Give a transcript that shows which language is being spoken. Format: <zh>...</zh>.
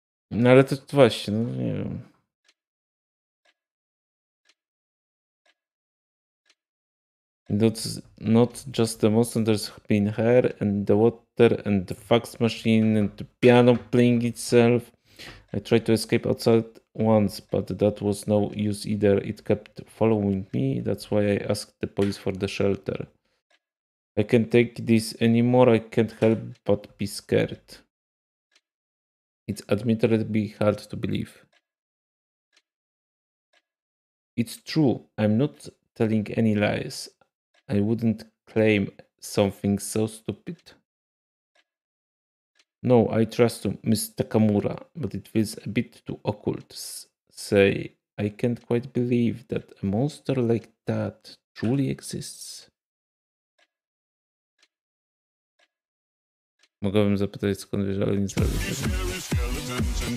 <pl>No ale to właśnie, no nie wiem.</pl> <en>That's not just the monster, there's been her and the water and the fax machine and the piano playing itself. I tried to escape outside once, but that was no use either. It kept following me. That's why I asked the police for the shelter. I can't take this anymore. I can't help but be scared. It's admittedly hard to believe. It's true. I'm not telling any lies. I wouldn't claim something so stupid. No, I trust you, Mr. Kamura, but it feels a bit too occult. Say, I can't quite believe that a monster like that truly exists.</en> <pl>Mogłabym zapytać, skąd wiesz, ale nie zrobię tego.</pl>